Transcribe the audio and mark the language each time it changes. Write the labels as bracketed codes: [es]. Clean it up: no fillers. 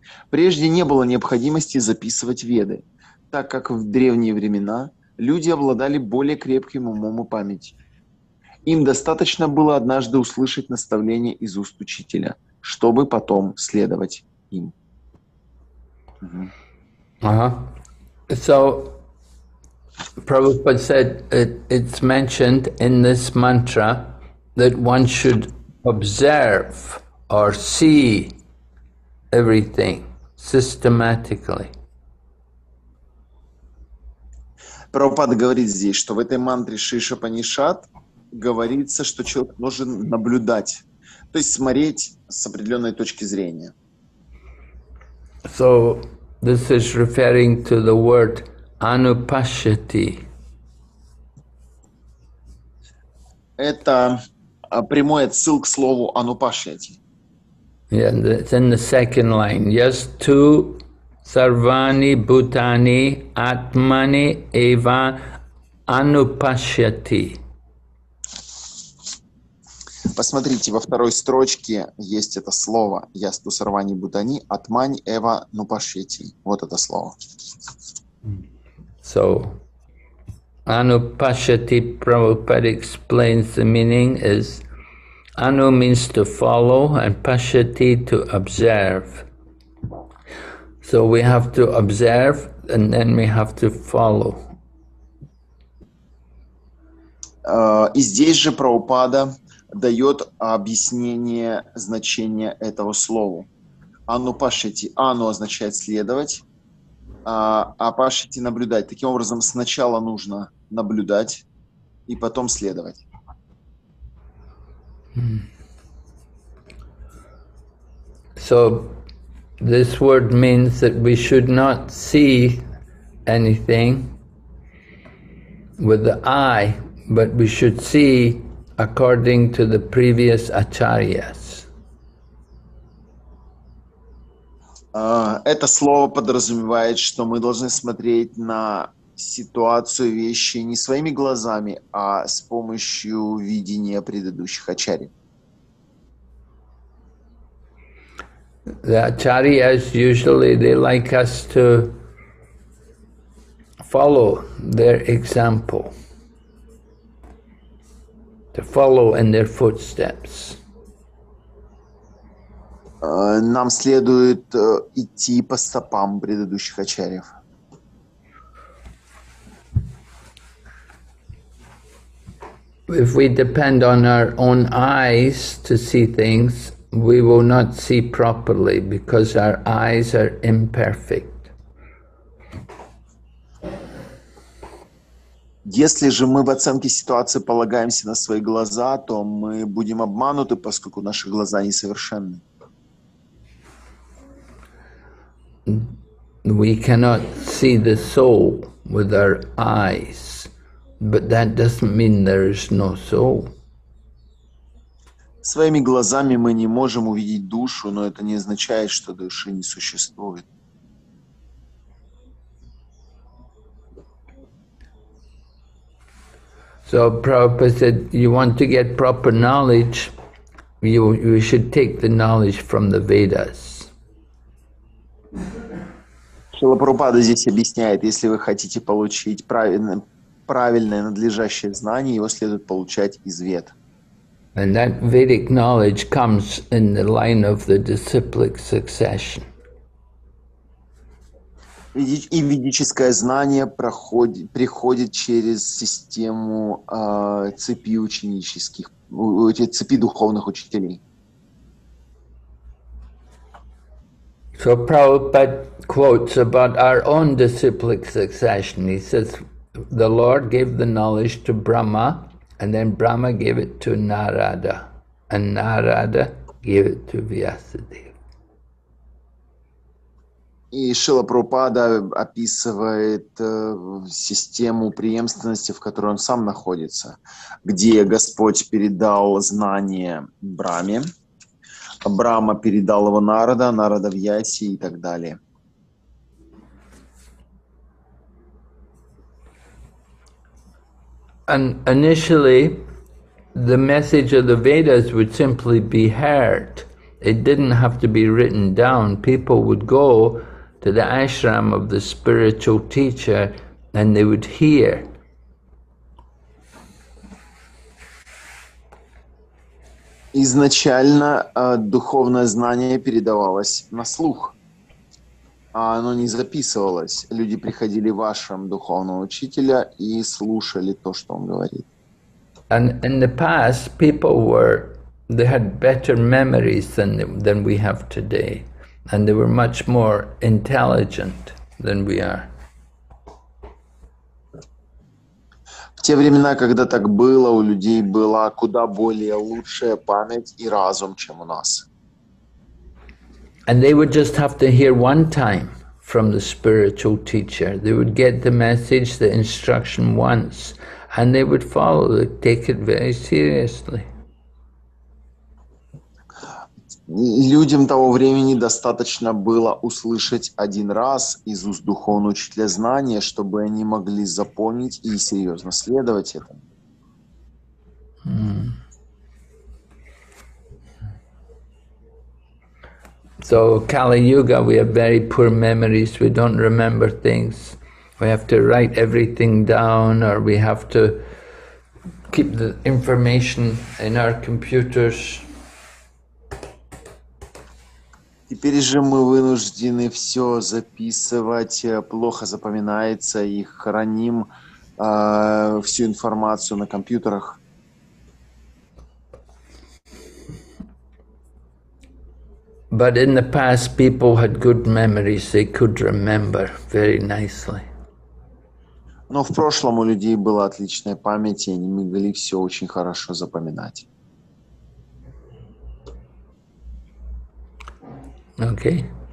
[ru] Прежде не было необходимости записывать веды, так как в древние времена люди обладали более крепким умом и памятью. Им достаточно было однажды услышать наставление из уст учителя, чтобы потом следовать им. [en] So, Prabhupada said, it's mentioned in this mantra that one should observe or see everything systematically. [ru] Прабхупада говорит здесь, что в этой мантре Шиша Панишат говорится, что человек должен наблюдать, то есть смотреть с определенной точки зрения. [en] So, this is referring to the word anupashyati. [ru] Это прямой отсыл к слову anupashyati. [en] Yeah, it's in the second line. Yes, two. [sa] Sarvani Bhutani Atmani Eva Anupashyati. [ru] Посмотрите, во второй строчке есть это слово. [sa] Ясту Сарвани Бутани Атмани Эва Нупашети. [ru] Вот это слово. [en] So Anupashyati, Prabhupada explains the meaning is Anu means to follow and Pashyati to observe. So we have to observe, and then we have to follow. [ru] И здесь же Прабхупада дает объяснение значения этого слова. Анупашити. Ану означает следовать, а пашити – наблюдать. Таким образом, сначала нужно наблюдать, и потом следовать. [en] So, this word means that we should not see anything with the eye, but we should see according to the previous acharyas. [ru] Это слово подразумевает, что мы должны смотреть на ситуацию, вещи не своими глазами, а с помощью видения предыдущих ачарий. [en] The acharyas usually they like us to follow their example, to follow in their footsteps. [ru] Нам следует идти по стопам предыдущих ачарьев. [en] If we depend on our own eyes to see things, we will not see properly because our eyes are imperfect. [ru] Если же мы в оценке ситуации полагаемся на свои глаза, то мы будем обмануты, поскольку наши глаза несовершенны. [en] We cannot see the soul with our eyes, but that doesn't mean there is no soul. [ru] Своими глазами мы не можем увидеть душу, но это не означает, что души не существует. [en] So Prabhupada said, you want to get proper knowledge, you should take the knowledge from the Vedas. [ru] Шрила Прабхупада здесь объясняет, если вы хотите получить правильное надлежащее знание, его следует получать из Вед. [en] And that Vedic knowledge comes in the line of the disciplic succession. [ru] И ведическое знание приходит через систему цепи ученических, цепи духовных учителей. [en] So Prabhupada quotes about our own disciplic succession. He says, the Lord gave the knowledge to Brahma, and then Brahma gave it to Narada, and Narada gave it to Vyasadeva. [ru] И Шрила Прабхупада описывает систему преемственности, в которой он сам находится, где Господь передал знание Браме, Брама передал его Нарада, Нарада Вьяси и так далее. [en] And initially, the message of the Vedas would simply be heard. It didn't have to be written down. People would go to the ashram of the spiritual teacher and they would hear. [ru] Изначально духовное знание передавалось на слух, а оно не записывалось. Люди приходили в ашрам духовного учителя и слушали то, что он говорит. [en] And in the past, people were, they had better memories than we have today, and they were much more intelligent than we are. [ru] В те времена, когда так было, у людей была куда более лучшая память и разум, чем у нас. [en] And they would just have to hear one time from the spiritual teacher. They would get the message, the instruction once, and they would follow it, take it very seriously. [ru] Людям того времени достаточно было услышать один раз из уст духовного учителя знания, чтобы они могли запомнить и серьезно следовать этому. [en] So Kali Yuga, we have very poor memories, we don't remember things. We have to write everything down, or we have to keep the information in our computers. [ru] Теперь же мы вынуждены все записывать, плохо запоминается и храним всю информацию на компьютерах. [en] But in the past people had good memories, they could remember very nicely. [ru] Но в прошлом у людей была отличная память, и они могли все очень хорошо запоминать. [en] Okay.